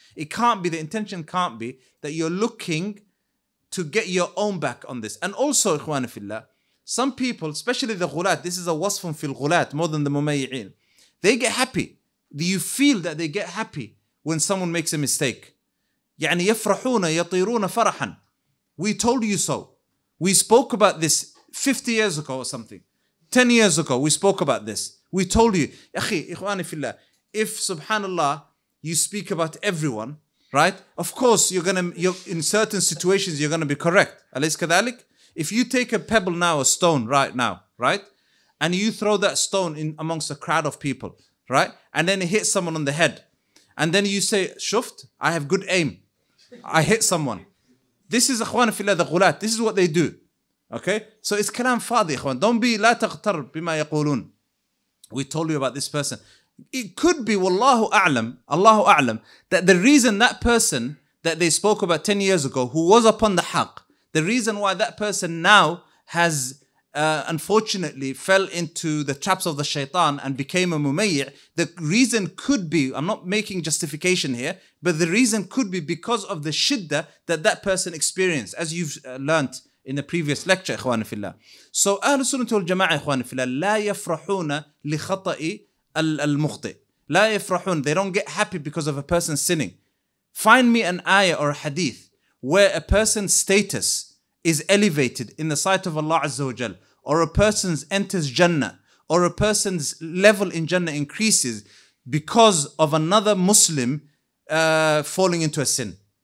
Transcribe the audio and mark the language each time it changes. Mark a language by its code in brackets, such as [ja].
[en] It can't be, the intention can't be that you're looking to get your own back on this. And also, ikhwan fillah, some people, especially the ghulat, this is a wasfun fil ghulat, more than the mumayyi'in, they get happy. You feel that they get happy when someone makes a mistake. [ar] يعني يفرحون يطيرون فرحا. [en] We told you so. We spoke about this 50 years ago or something. 10 years ago, we spoke about this. We told you, أخي إخواني في الله, if subhanAllah, you speak about everyone, right? Of course, in certain situations, you're going to be correct. [ar] أليس كذلك? [en] If you take a pebble now, a stone right now, right? And you throw that stone in amongst a crowd of people, right? And then it hits someone on the head. And then you say, shuft, I have good aim. I hit someone. This is إخواني في الله, the غلات. This is what they do. Okay? So it's [ar] كلام فاضي, [en] إخوان. Don't be, [ar] لا تغتر بما يقولون. [en] We told you about this person. It could be, wallahu a'lam, Allahu a'lam, that the reason that person that they spoke about 10 years ago, who was upon the haq, the reason why that person now has unfortunately fell into the traps of the shaitan and became a mumayyi', the reason could be, I'm not making justification here, but the reason could be because of the shidda that that person experienced, as you've learnt in the previous lecture, إخوان في الله. [ar] So أهل السنة والجماعة إخوان في الله لا يفرحون لخطأ المخطئ. لا يفرحون. [en] They don't get happy because of a person sinning. Find me an ayah or a hadith where a person's status is elevated in the sight of Allah Azza wa Jal, or a person's enters Jannah, or a person's level in Jannah increases because of another Muslim falling into a sin.